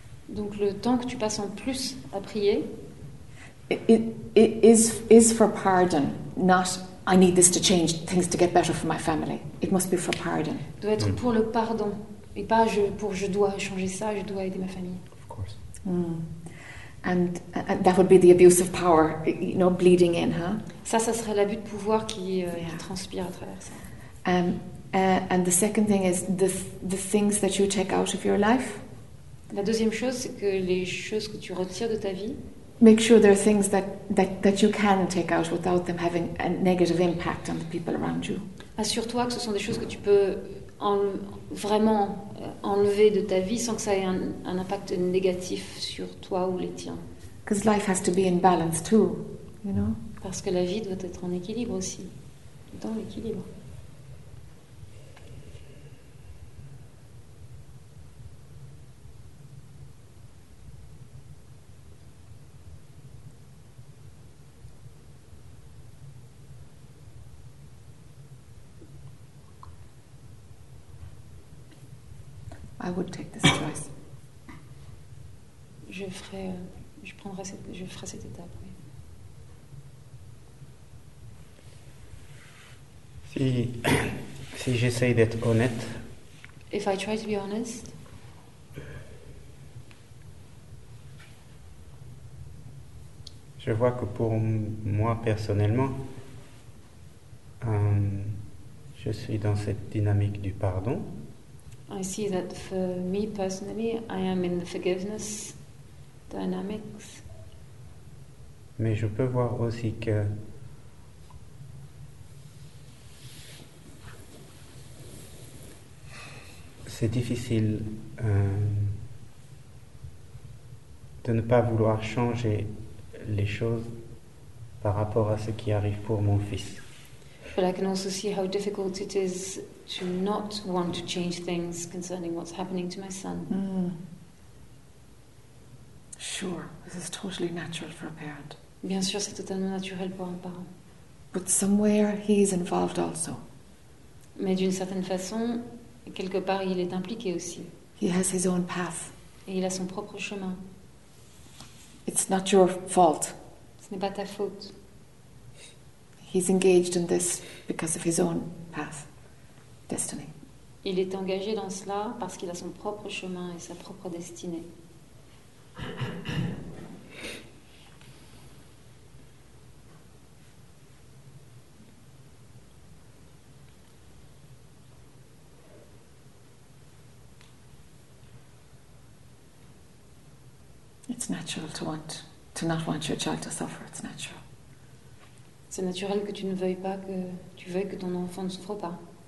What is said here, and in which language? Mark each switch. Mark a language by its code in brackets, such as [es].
[fr] Donc le temps que tu passes en plus à prier. [en] It is for pardon, not I need this to change things to get better for my family. It must be for pardon. [fr] Doit être pour le pardon et pas je dois changer ça, je dois aider ma famille. [en] Of course. And that would be the abuse of power, you know, bleeding in, huh? [fr] Ça serait l'abus de pouvoir qui transpire à travers ça. [en] And the second thing is the things that you take out of your life. [fr] La deuxième chose, c'est que les choses que tu retires de ta vie. [en] Make sure there are things that you can take out without them having a negative impact on the people around you. [fr] Assure-toi que ce sont des choses que tu peux vraiment enlever de ta vie sans que ça ait un impact négatif sur toi ou les tiens. [en] Because life has to be in balance too, you know. [fr] Parce que la vie doit être en équilibre aussi, dans l'équilibre. [en] I would take this choice. [fr] Je ferai cette étape. Oui. Si j'essaye d'être honnête. [en] If I try to be honest. [fr] Je vois que pour moi personnellement, je suis dans cette dynamique du pardon. [en] I see that for me personally, I am in the forgiveness dynamics. [fr] Mais je peux voir aussi que c'est difficile de ne pas vouloir changer les choses par rapport à ce qui arrive pour mon fils. [en] But I can also see how difficult it is to not want to change things concerning what's happening to my son. Mm. Sure, this is totally natural for a parent. [fr] Bien sûr, c'est totalement naturel pour un parent. [en] But somewhere he is involved also. [fr] Mais d'une certaine façon, quelque part, il est impliqué aussi. [en] He has his own path. [fr] Et il a son propre chemin. [en] It's not your fault. [fr] Ce n'est pas ta faute. [en] He's engaged in this because of his own path, destiny. [fr] Il est engagé dans cela parce qu'il a son propre chemin et sa propre destinée. [en] It's natural to not want your child to suffer. It's natural. [fr] C'est naturel que tu ne veuilles pas que tu veuilles que ton enfant ne souffre pas.